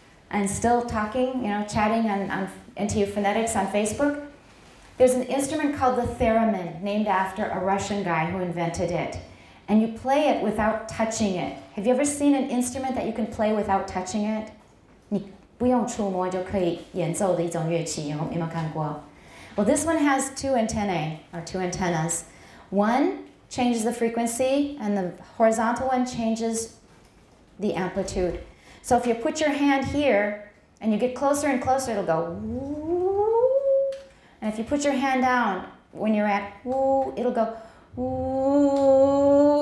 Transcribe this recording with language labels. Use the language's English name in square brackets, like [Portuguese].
[English] And still talking, you know, chatting on NTU Phonetics on Facebook. There's an instrument called the theremin, named after a Russian guy who invented it. And you play it without touching it. Have you ever seen an instrument that you can play without touching it? [Chinese] 你不用触摸就可以演奏的一种乐器，有没有看过？ [English] Well, this one has two antennae, or two antennas. One changes the frequency, and the horizontal one changes the amplitude. So if you put your hand here, and you get closer and closer, it'll go woo. And if you put your hand down, when you're at woo, it'll go woo.